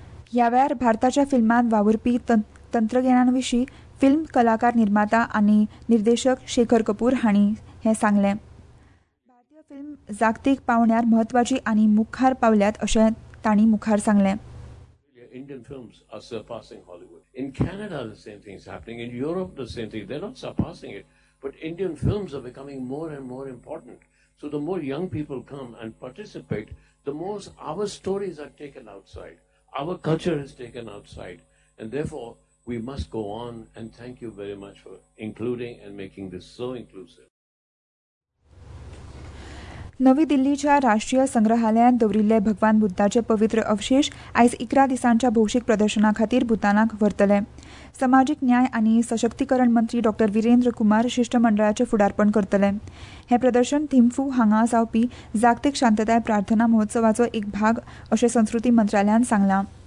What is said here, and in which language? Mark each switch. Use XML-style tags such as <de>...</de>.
<gom>ह्या वेळार भारताच्या फिल्मात वावुरपी तंत्रज्ञानाविषयी फिल्म कलाकार निर्माता आणि निर्देशक शेखर कपूर हांणी हे सांगले। भारतीय फिल्म जागतिक पावण्यार महत्वाची आणि मुखार पावल्यात असे तांणी मुखार सांगले।</gom> <en>Indian films are surpassing Hollywood. In Canada the same thing is happening, in Europe the same thing, they're not surpassing it, but Indian films are becoming more and more important. So the more young people come and participate, the more our stories are taken outside, our culture is taken outside, and therefore we must go on, and thank you very much for including and making this so inclusive.</en> <gom>नवी दिल्लीच्या राष्ट्रीय संग्रहालयात दवरिल्ले भगवान बुद्धाचे पवित्र अवशेष आज 11 दिसांच्या भौशिक प्रदर्शना खातीर भूतानाक व्हरतले। समाजीक न्याय आणि सशक्तीकरण मंत्री डॉ विरेंद्र कुमार शिष्टमंडळाचे फुडारपण करतले। हे प्रदर्शन थिम्फू हांगा जावपी जागतिक शांतताय प्रार्थना महोत्सवाचो एक भाग असे संस्कृती मंत्रालयान सांगला।</gom>